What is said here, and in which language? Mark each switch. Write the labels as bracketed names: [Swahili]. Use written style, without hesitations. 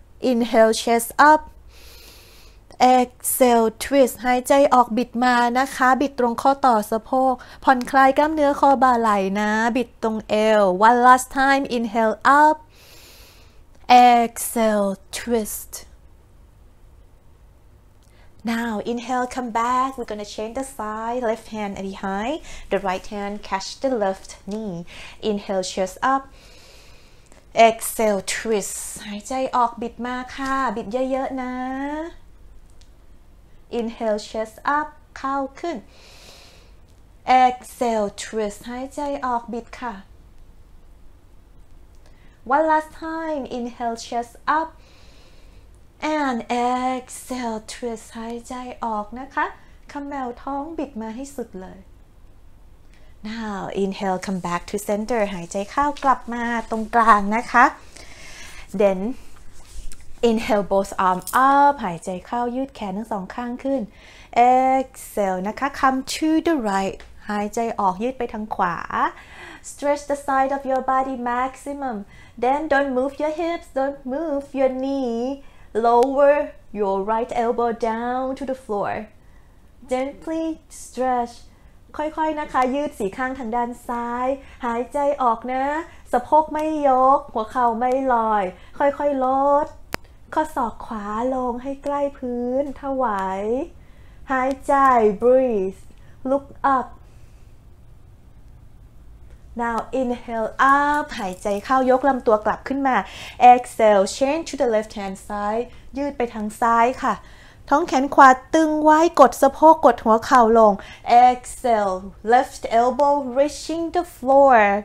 [English] Inhale chest up Exhale twist [Thai] หายใจออกบิดมานะคะบิดตรงข้อต่อสะโพกผ่อนคลายกล้ามเนื้อคอบ่าไหล่นะบิดตรงเอว [English] One last time Inhale upExhale, twist. Now, inhale, come back. We're gonna change the side, left hand behind. The right hand, catch the left knee. Inhale, chest up. Exhale, twist. [Thai] หายใจออกบิดมาค่ะบิดเยอะๆนะ [English] Inhale, chest up. [Thai] เข้าขึ้น [English] Exhale, twist. [Thai] หายใจออกบิดค่ะ [English] One last time, inhale, chest up, and exhale, twist, [Thai] หายใจออกนะคะ คัมแมวท้องบิดมาให้สุดเลย [English] Now, inhale, come back to center, [Thai] หายใจเข้ากลับมาตรงกลางนะคะ [English] Then, inhale, both arms up, [Thai] หายใจเข้ายืดแขนทั้งสองข้างขึ้น [English] Exhale, [Thai] นะคะ [English] come to the right, [Thai] หายใจออกยืดไปทางขวา [English] Stretch the side of your body maximum. Then don't move your hips, don't move your knee. Lower your right elbow down to the floor. Gently stretch. [Thai] ค่อยๆนะคะยืดสี่ข้างทางด้านซ้ายหายใจออกนะสะโพกไม่ยกหัวเข่าไม่ลอยค่อยๆลดข้อศอกขวาลงให้ใกล้พื้นถวาย หายใจ [English] breathe look upNow inhale up [Thai] หายใจเข้ายกลำตัวกลับขึ้นมา [English] Exhale change to the left hand side [Thai] ยืดไปทางซ้ายค่ะท้องแขนขวาตึงไว้กดสะโพกกดหัวเข่าลง [English] Exhale left elbow reaching the floor